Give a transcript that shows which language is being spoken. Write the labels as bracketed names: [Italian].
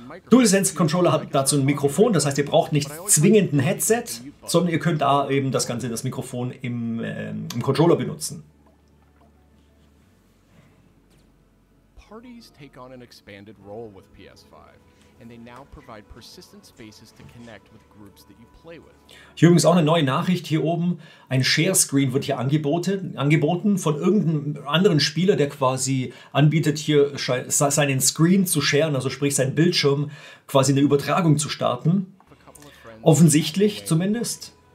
[German] DualSense Controller hat dazu ein Mikrofon, das heißt, ihr braucht nicht zwingend ein Headset, sondern ihr könnt da eben das Ganze, das Mikrofon im Controller benutzen. [English] Parties take on an expanded role with PS5. And they now provide persistent spaces to connect with groups that you play with. [German] Hier übrigens auch eine neue Nachricht hier oben. Ein Share-Screen wird hier angeboten von irgendeinem anderen Spieler, der quasi anbietet, hier seinen Screen zu sharen, also sprich seinen Bildschirm quasi eine Übertragung zu starten. Offensichtlich zumindest.